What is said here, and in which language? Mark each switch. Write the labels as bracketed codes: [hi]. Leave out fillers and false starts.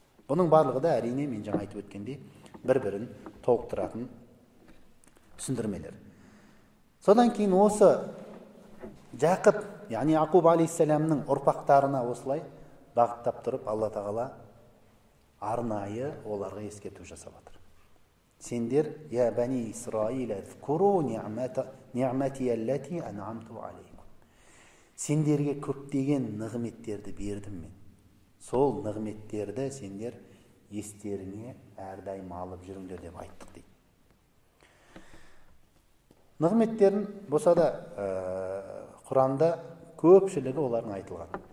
[kk] Бұның барлығы да әрине мен жаңа айтып өткенде бір-бірін толықтыратын түсіндірмелер. Содан кейін осы Жақып, яғни Яқуб алейхиссаламның ұрпақтарына осылай бағыттап тұрып Алла Тағала арнайы оларға ескерту жасап отыр. Сендер, [ar] я бани Исраиля, зкуру ниғмати аллати анъамту алейкум. [kk] Сендерге көптеген нығметтерді бердім мен. Сол нығметтерді сендер естеріңе әрдайым алып жүріңдер деп айттық дейді. Нығметтерін болса да Құранда көпшілігі олардың айтылған.